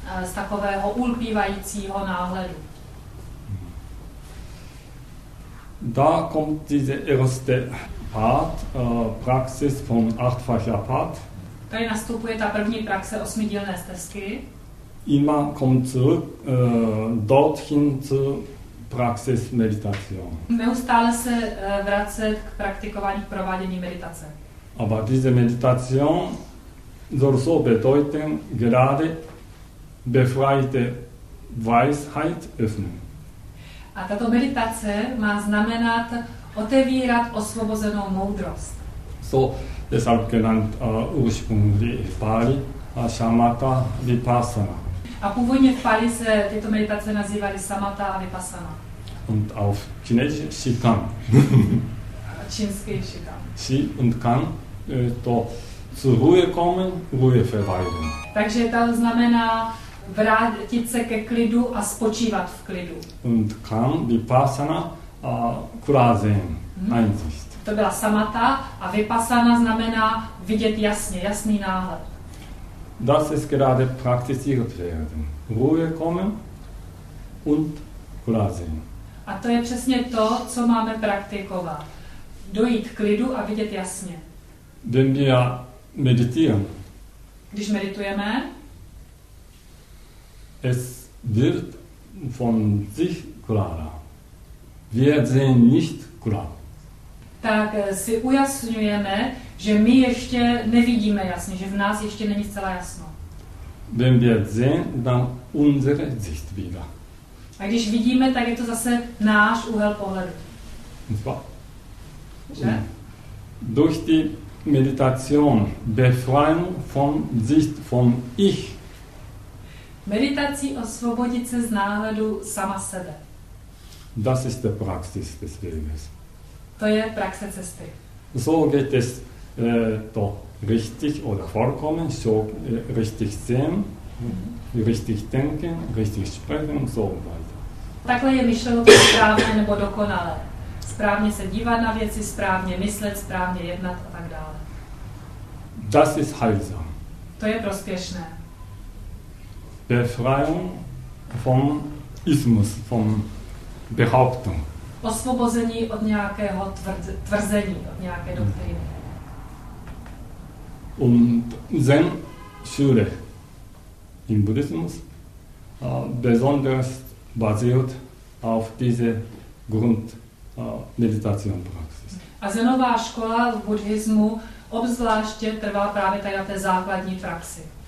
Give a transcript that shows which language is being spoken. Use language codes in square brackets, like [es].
[cs] Z takového ulpívajícího náhledu. [de] Da kommt diese erste Part, Praxis von achtfacher Part. [cs] Tady nastupuje ta první praxe osmidílné stezky. [de] Immer kommt zurück dorthin zu Praxis Meditation. [cs] Neustále se vracet k praktikování provádění meditace. [de] Aber diese Meditation soll so bedeuten, gerade befreite Weisheit öffnen. [cs] A tato meditace má znamenat otevírat osvobozenou moudrost. [de] So, deshalb genannt ursprünglich Pali, Samatha, Vipassana. [cs] A původně v Pali se tyto meditace nazývaly Samatha a Vipassana. [de] Und auf Chinesisch Shi Kan. [cs] Čínský Shi Kan. [de] Shi und Kan, to zu Ruhe kommen, Ruhe verweilen. [cs] Takže to znamená vrátit se ke klidu a spočívat v klidu. Und kam vypasana a kurázen. To byla samata a vypasana znamená vidět jasně, jasný náhled. [de] Das ist gerade praktiziert werden. Ruhe kommen und kurázen. [cs] A to je přesně to, co máme praktikovat. Dojít klidu a vidět jasně. [de] Wenn wir meditieren. [cs] Když meditujeme, [de] es wird von sich klarer. Wir sehen nicht klar. [cs] Tak si ujasňujeme, že my ještě nevidíme jasně, že v nás ještě není zcela jasno. [de] Wenn wir sehen, dann unsere Sicht wieder. [cs] A když vidíme, tak je to zase náš úhel pohledu. [de] Durch die Meditation befreien von Sicht von Ich. [cs] Meditací osvobodit se z náhledu sama sebe. [de] Das ist der Praxis des Weges. [cs] To je praxe cesty. [de] So geht es to richtig oder vollkommen, so richtig sehen, richtig denken, richtig sprechen und so weiter. [cs] Takhle je myšleno to správně nebo dokonale. Správně se dívat na věci, správně myslet, správně jednat a tak dále. [de] Das ist heilsam. [cs] To je prospěšné. [de] Befreiung vom Ismus, vom Behauptung. [cs] Osvobození od nějakého tvrzení, od nějaké doktriny. [de] Und Zen Schule im Buddhismus besonders basiert auf diese Grundmeditation Praxis. [cs] A Zenová škola v buddhismu obzvláště trvá právě tady na té základní praxi.